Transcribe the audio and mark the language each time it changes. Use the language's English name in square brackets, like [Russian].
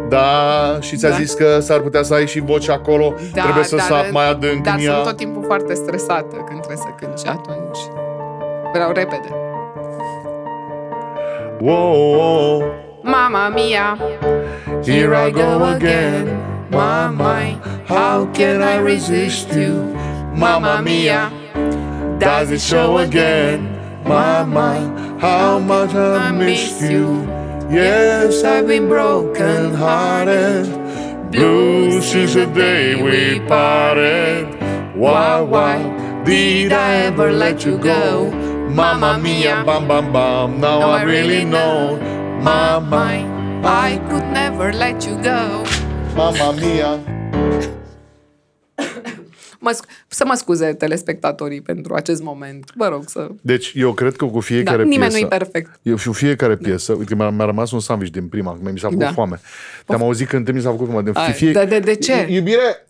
[Romanian] Da, și ți-a zis că s-ar putea să ai și voce acolo, da, trebuie să sap mai adânc. Dar sunt tot timpul foarte stresată când trebuie să cânt și atunci vreau repede. Wow, [English] Mama mia, here I go again, mama, how can I resist you? Mama mia, does it show again? Mama, how much I missed you. Yes, I've been broken hearted. Blue since the day we parted. Why did I ever let you go? Mama mia, bam bam bam. Now I really know. Mama, I could never let you go. Mama mia. [Romanian] Să mă scuze telespectatorii pentru acest moment. Mă rog să... Deci eu cred că cu fiecare piesă... Da, nimeni piesă, nu-i perfect. Cu fiecare piesă... Da. Uite, mi-a rămas un sandwich din prima, mi s-a făcut foame. Te-am auzit când mi s-a făcut foame. De ce? Iubire...